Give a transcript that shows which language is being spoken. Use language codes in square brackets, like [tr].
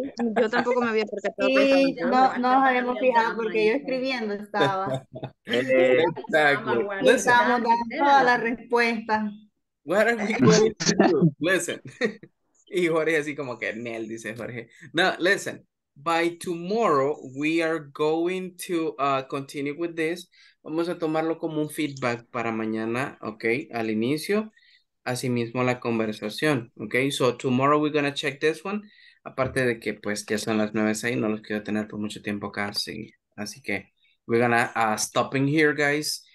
[es] Sí, yo tampoco me había percatado. Sí, no nos habíamos fijado porque yo escribiendo estaba. Exacto. Estábamos dando todas las respuestas. [en] What are we going to do? Listen. [es] Y Jorge así como que Nel, dice Jorge. [en] No, listen. By tomorrow, we are going to continue with this. [es] Vamos a tomarlo como un feedback para mañana, ¿ok? Al inicio, asimismo la conversación, ¿ok? [en] So, tomorrow we're going to check this one. [es] Aparte de que, pues, ya son las 9:06, no los quiero tener por mucho tiempo acá. Sí. Así que, [en] we're going to stop in here, guys.